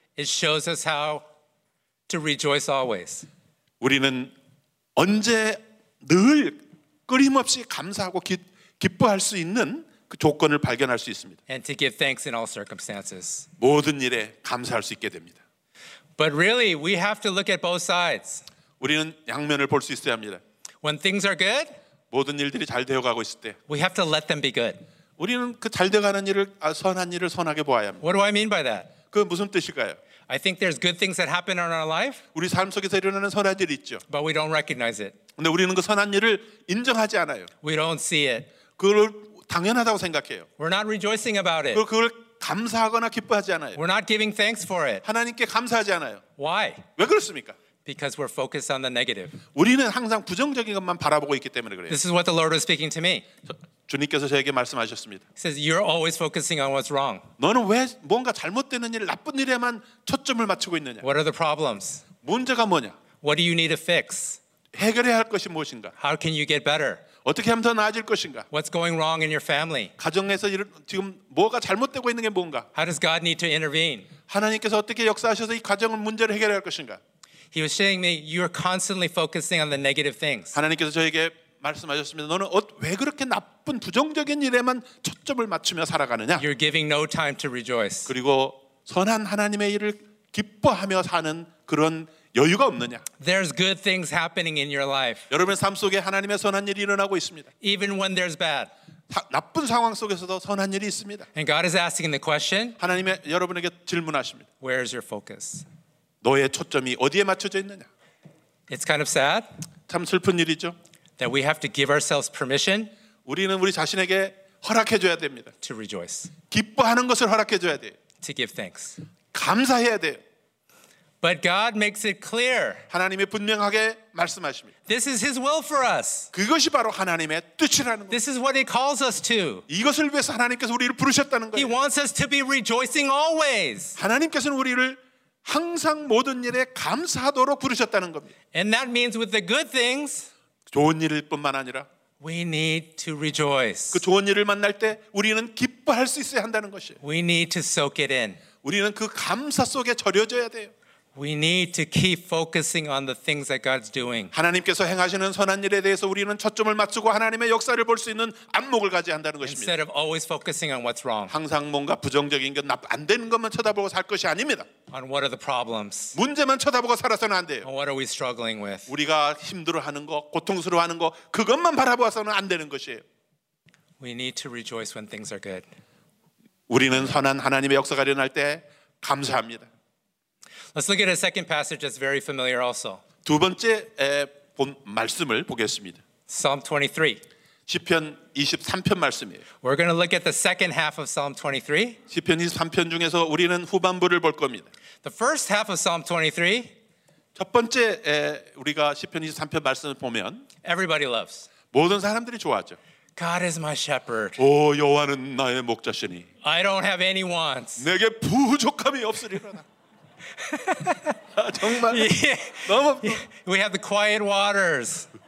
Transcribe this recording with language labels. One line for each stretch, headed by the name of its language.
English: it shows us how to rejoice always.
Korean: 우리는 언제 늘 끊임없이 감사하고 기뻐할 수 있는 그 조건을 발견할 수 있습니다.
English: And to give thanks in all circumstances.
Korean: 모든 일에 감사할 수 있게 됩니다.
English: But really, we have to look at both sides.
Korean: 우리는 양면을 볼 수 있어야 합니다.
English: When things are good,
Korean: 모든 일들이 잘 되어가고 있을 때,
English: we have to let them be good.
Korean: 우리는 그 잘 돼가는 일을 선한 일을 선하게 보아야 합니다.
English: What do I mean by that?
Korean: 그 무슨 뜻일까요?
English: I think there's good things that happen in our life.
Korean: 우리 삶 속에서 일어나는 선한 일이 있죠.
English: But we don't recognize it.
Korean: 근데 우리는 그 선한 일을 인정하지 않아요.
English: We don't see it.
Korean: 그걸 당연하다고 생각해요.
English: We're not rejoicing about it.
Korean: 그걸 감사하거나 기뻐하지 않아요.
English: We're not giving thanks for it.
Korean: 하나님께 감사하지 않아요.
English: Why?
Korean: 왜 그렇습니까?
English: Because we're focused on the negative.
Korean: 우리는 항상 부정적인 것만 바라보고 있기 때문에 그래요.
English: This is what the Lord was speaking to me.
Korean: 주님께서 저에게 말씀하셨습니다.
English: He says you're always focusing on what's wrong.
Korean: 너는 왜 뭔가 잘못되는 일, 나쁜 일에만 초점을 맞추고 있느냐?
English: What are the problems?
Korean: 문제가 뭐냐?
English: What do you need to fix?
Korean: 해결해야 할 것이 무엇인가?
English: How can you get better?
Korean: 어떻게 하면 더 나아질 것인가?
English: What's going wrong in your family?
Korean: 가정에서 지금 뭐가 잘못되고 있는 게 뭔가?
English: How does God need to intervene?
Korean: 하나님께서 어떻게 역사하셔서 이 가정을 문제를 해결할 것인가?
English: He was saying that you are constantly focusing on the negative things.
Korean: 하나님께서 저에게 말씀하셨습니다. 너는 왜 그렇게 나쁜 부정적인 일에만 초점을 맞추며 살아가느냐?
English: You're giving no time to rejoice.
Korean: 그리고 선한 하나님의 일을 기뻐하며 사는 그런 여유가 없느냐?
English: There's good things happening in your life.
Korean: 여러분의 삶 속에 하나님의 선한 일이 일어나고 있습니다.
English: Even when there's bad.
Korean: 나쁜 상황 속에서도 선한 일이 있습니다.
English: And God is asking the question.
Korean: 하나님이 여러분에게 질문하십니다.
English: Where is your focus?
Korean: 너의 초점이 어디에 맞춰져 있느냐?
English: It's kind of sad.
Korean: 참 슬픈 일이죠.
English: That we have to give ourselves permission.
Korean: 우리는 우리 자신에게 허락해 줘야 됩니다.
English: To rejoice.
Korean: 기뻐하는 것을 허락해 줘야 돼.
English: To give thanks.
Korean: 감사해야 돼.
English: But God makes it clear.
Korean: 하나님이 분명하게 말씀하십니다.
English: This is His will for us.
Korean: 그것이 바로 하나님의 뜻이라는 거예요.
English: This is what He calls us to.
Korean: 이것을 위해서 하나님께서 우리를 부르셨다는 거예요.
English: He wants us to be rejoicing always.
Korean: 하나님께서는 우리를 항상 모든 일에 감사하도록 부르셨다는 겁니다.
English: And that means with the good things.
Korean: 좋은 일일 뿐만 아니라
English: We need to rejoice.
Korean: 그 좋은 일을 만날 때 우리는 기뻐할 수 있어야 한다는 것이에요.
English: We need to soak it in.
Korean: 우리는 그 감사 속에 절여져야 돼요.
English: We need to keep focusing on the things that God's doing.
Korean: 하나님께서 행하시는 선한 일에 대해서 우리는 초점을 맞추고 하나님의 역사를 볼 수 있는 안목을 가져야 한다는 것입니다.
English: Instead of always focusing on what's wrong.
Korean: 항상 뭔가 부정적인 것, 안 되는 것만 쳐다보고 살 것이 아닙니다.
English: On what are the problems?
Korean: 문제만 쳐다보고 살아서는 안 돼요.
English: On what are we struggling with?
Korean: 우리가 힘들어하는 것, 고통스러워하는 것, 그것만 바라보아서는 안 되는 것이에요.
English: We need to rejoice when things are good.
Korean: 우리는 선한 하나님의 역사가 일어날 때 감사합니다.
English: Let's look at a second passage that's very familiar also.
Korean: 두 번째 말씀을 보겠습니다.
English: Psalm 23.
Korean: 시편 23편 말씀이에요.
English: We're going to look at the second half of Psalm 23.
Korean: 시편 23편 중에서 우리는 후반부를 볼 겁니다.
English: The first half of Psalm 23.
Korean: 첫 번째 우리가 시편 23편 말씀을 보면
English: Everybody loves.
Korean: 모든 사람들이 좋아하죠.
English: God is my shepherd.
Korean: 오 여호와는 나의 목자시니.
English: I don't have any wants.
Korean: 내게 부족함이 없으리라. 정말 너무
English: We have the quiet waters.